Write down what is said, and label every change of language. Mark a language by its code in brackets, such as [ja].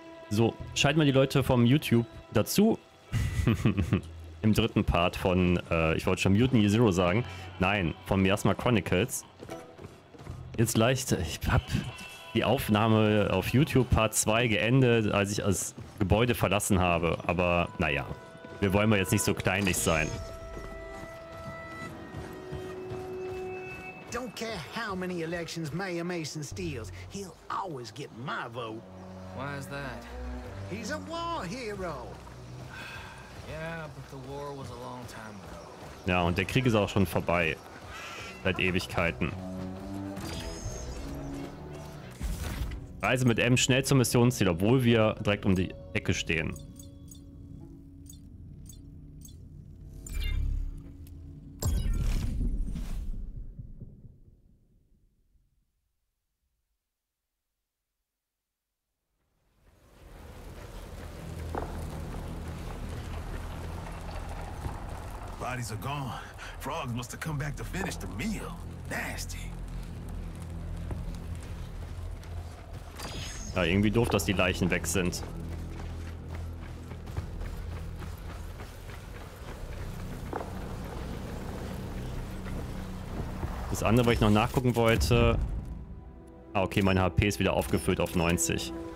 [de] So, schalten wir die Leute vom YouTube dazu. Im dritten Part von, ich wollte schon Mutant Year Zero sagen. Nein, von Miasma Chronicles. Jetzt leicht, ich hab die Aufnahme auf YouTube Part 2 geendet, als ich das Gebäude verlassen habe. Aber naja, wir wollen mal jetzt nicht so kleinlich sein. [en] Don't care how many elections Mayor Mason steals, he'll always get my vote. Why is that? He's a war hero. Yeah, but the war was a long time ago. [de] Ja, und der Krieg ist auch schon vorbei. Seit Ewigkeiten. Reise mit M schnell zum Missionsziel, obwohl wir direkt um die Ecke stehen. [en] Bodies are gone. Frogs must have come back to finish the meal. Nasty. [de] Ja, irgendwie doof, dass die Leichen weg sind. Das andere, was ich noch nachgucken wollte. Ah, okay, mein HP ist wieder aufgefüllt auf 90.